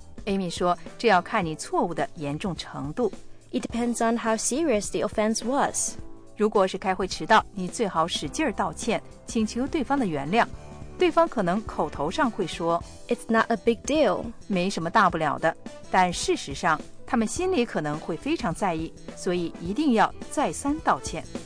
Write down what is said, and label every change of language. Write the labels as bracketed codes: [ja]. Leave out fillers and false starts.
[zh] Amy 说,这要看你错误的严重程度。 [en] It depends on how serious the offense was. [zh] 如果是开会迟到,你最好使劲道歉,请求对方的原谅。对方可能口头上会说 [en] It's not a big deal. [zh] 没什么大不了的。但事实上他们心里可能会非常在意，所以一定要再三道歉。